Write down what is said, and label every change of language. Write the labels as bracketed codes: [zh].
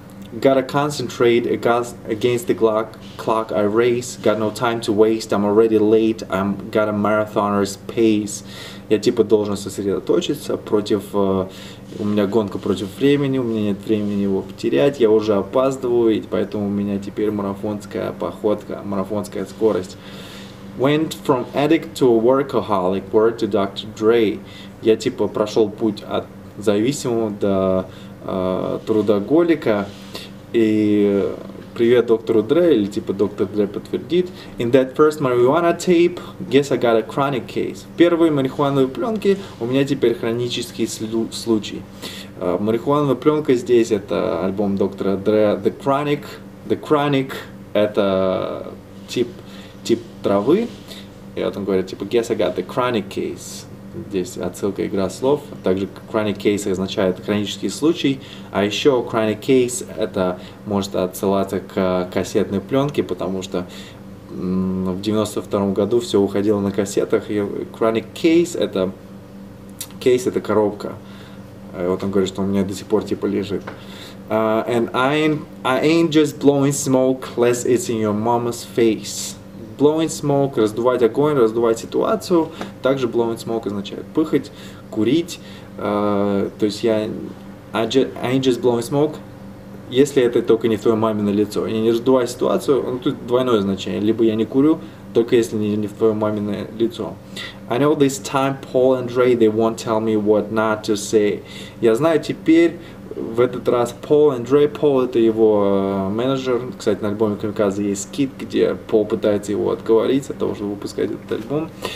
[en] Gotta concentrate against the clock I race. Got no time to waste. I'm already late. I'm got a marathoner's pace. [ru] Я типа должен сосредоточиться против. У меня гонка против времени. У меня нет времени его потерять. Я уже опаздываю, поэтому у меня теперь марафонская походка, марафонская скорость. [en] Went from addict to a workaholic. Word to Dr. Dre. [ru] Я типа прошел путь от зависимого до трудоголика. И привет доктору Дре, или типа доктор Дре подтвердит. [en] In that first marijuana tape, guess I got a chronic case. [ru] В первой марихуановой пленке у меня теперь хронический случай. Марихуановая пленка здесь — это альбом доктора Дре The Chronic. The Chronic — это тип травы. И вот он говорит, типа, [en] guess I got the chronic case. [ru] Здесь отсылка, игра слов. Также chronic case означает хронический случай. А еще chronic case — это может отсылаться к кассетной пленке, потому что в 92-м году все уходило на кассетах. И chronic case — это кейс, это коробка. И вот он говорит, что у меня до сих пор типа лежит. [en] And I ain't just blowing smoke, unless it's in your mama's face. [ru] Blowing smoke — раздувать огонь, раздувать ситуацию. Также blowing smoke означает пыхать, курить. То есть я [en] I ain't just blowing smoke, [ru] если это только не твоей маме на лицо. Я не раздуваю ситуацию, ну, тут двойное значение. Либо я не курю, только если не в твоем маминое лицо. [en] I know this time Paul and Dre, they won't tell me what not to say. [ru] Я знаю теперь, в этот раз Paul and Dre. Paul — это его менеджер. Кстати, на альбоме Камикадзе есть скит, где Paul пытается его отговорить от того, чтобы выпускать этот альбом.